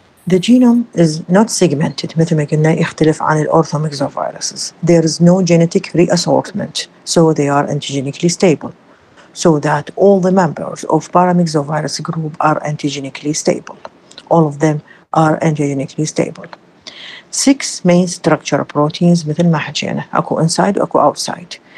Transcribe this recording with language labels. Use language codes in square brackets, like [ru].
[en] The genome is not segmented. [ar] مثل ما قلنا يختلف عن الorthomyxoviruses. [en] There is no genetic reassortment. So they are antigenically stable. So that all the members of Paramyxovirus group are antigenically stable. All of them are antigenically stable. Six main structure proteins, [ar] مثل ما حكينا, اكو [en] inside [ar] واكو [en] outside.